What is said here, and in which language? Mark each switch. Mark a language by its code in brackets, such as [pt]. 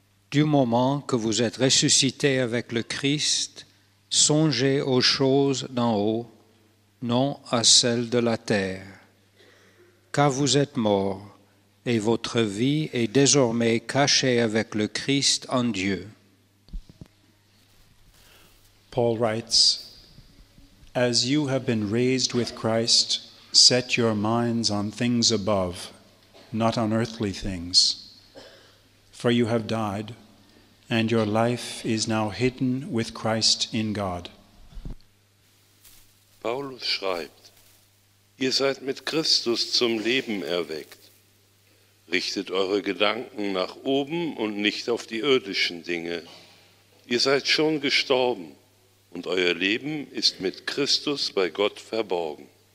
[fr] Du moment que vous êtes ressuscité avec le Christ, songez aux choses d'en haut, non à celle de la terre. Car vous êtes morts, et votre vie est désormais cachée avec le Christ en Dieu. [en] Paul writes, As you have been raised with Christ, set your minds on things above, not on earthly things. For you have died, and your life is now hidden with Christ in God. [de] Paulus schreibt, Ihr seid mit Christus zum Leben erweckt. Richtet eure Gedanken nach oben und nicht auf die irdischen Dinge. Ihr seid schon gestorben. Und euer Leben ist mit Christus bei Gott verborgen.